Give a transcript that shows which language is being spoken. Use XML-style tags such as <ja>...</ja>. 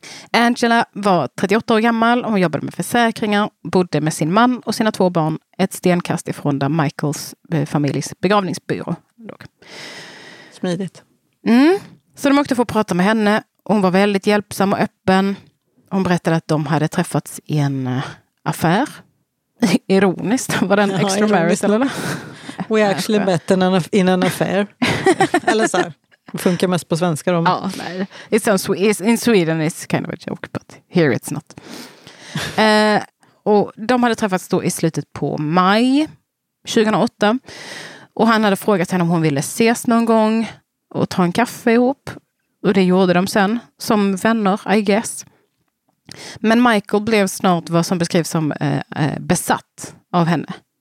<sv>Angela var 38 år gammal och hon jobbade med försäkringar, bodde med sin man och sina två barn ett stenkast ifrån där Michaels familjs begravningsbyrå låg. Smidigt. Mm. Så de åkte få prata med henne. Hon var väldigt hjälpsam och öppen. Hon berättade att de hade träffats i en affär. Ironiskt, var den</sv> <en>extra marriage</en> <sv>eller?</sv> <en>We actually met in an affair.</en> <sv>Eller så här. Funkar mest på svenska då? Ja, nej.</sv> <en>It sounds, in Sweden it's kind of a joke, but here it's not.</en> <sv>Och de hade träffats då i slutet på maj 2008. Och han hade frågat henne om hon ville ses någon gång och ta en kaffe ihop. Och det gjorde de sen, som vänner,</sv> <en>I guess.</en> <sv>Men Michael blev snart vad som beskrivs som besatt av henne.</sv>